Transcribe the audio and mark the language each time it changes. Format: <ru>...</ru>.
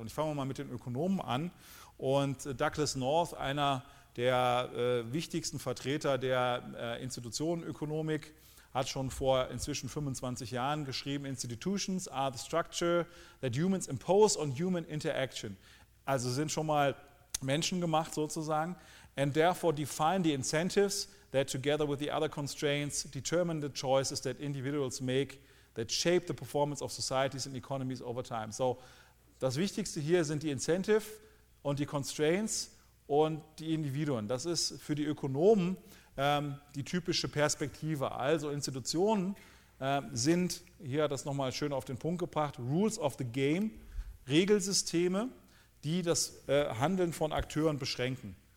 <de>Und ich fange mal mit den Ökonomen an. Und Douglas North, einer der wichtigsten Vertreter der Institutionenökonomik, hat schon vor inzwischen 25 Jahren geschrieben:</de> <en>Institutions are the structure that humans impose on human interaction.</en> <de>Also sind schon mal Menschen gemacht sozusagen.</de> <en>And therefore define the incentives that together with the other constraints determine the choices that individuals make that shape the performance of societies and economies over time.</en> <de>So das Wichtigste hier sind die Incentive und die Constraints und die Individuen. Das ist für die Ökonomen die typische Perspektive. Also Institutionen sind, hier hat das nochmal schön auf den Punkt gebracht, Rules of the Game, Regelsysteme, die das Handeln von Akteuren beschränken.</de>